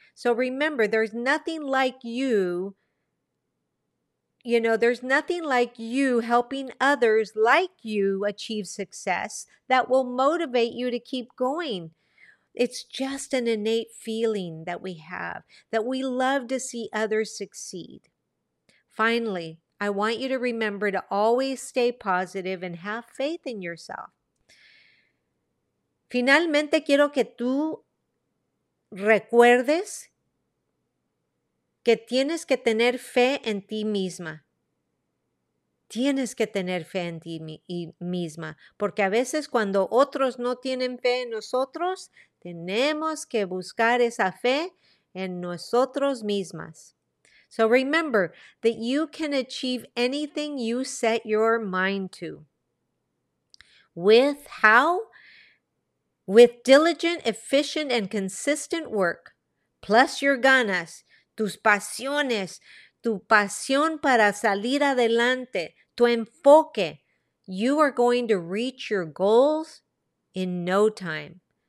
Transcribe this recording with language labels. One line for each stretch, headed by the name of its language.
English: So remember, there's nothing like you, you know, there's nothing like you helping others like you achieve success that will motivate you to keep going. It's just an innate feeling that we have, that we love to see others succeed. Finally, I want you to remember to always stay positive and have faith in yourself.
Spanish: Finalmente, quiero que tú recuerdes que tienes que tener fe en ti misma. Tienes que tener fe en ti misma. Porque a veces cuando otros no tienen fe en nosotros, tenemos que buscar esa fe en nosotros mismas.
English: So remember that you can achieve anything you set your mind to. With how? With diligent, efficient, and consistent work, plus your ganas,
Spanish: tus pasiones, tu pasión para salir adelante, tu enfoque,
English: you are going to reach your goals in no time.